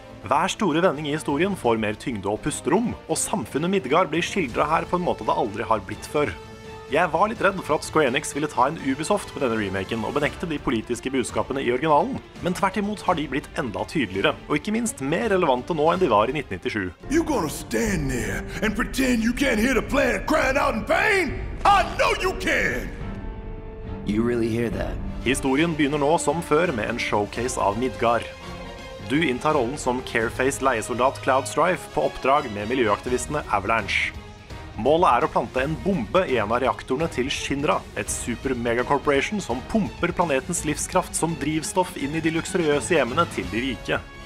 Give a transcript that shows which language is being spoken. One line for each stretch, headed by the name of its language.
Norwegian: Hver store vending i historien får mer tyngde og pusterom, og samfunnet Midgar blir skildret her på en måte det aldri har blitt før. Jeg var litt redd for at Square Enix ville ta en Ubisoft på denne remaken og benekte de politiske budskapene I originalen. Men tvert imot har de blitt enda tydeligere, og ikke minst mer relevante nå enn de var I 1997.
English: You're gonna stand there and pretend you can't hear the planet crying out in pain? I know you can! You really hear that?
Norwegian: Historien begynner nå som før med en showcase av Midgar. Du inntar rollen som Carefaced leiesoldat Cloud Strife på oppdrag med miljøaktivistene Avalanche. Målet å plante en bombe I en av reaktorene til Shinra, et super-megacorporation som pumper planetens livskraft som drivstoff inn I de luksuriøse hjemmene til de rike.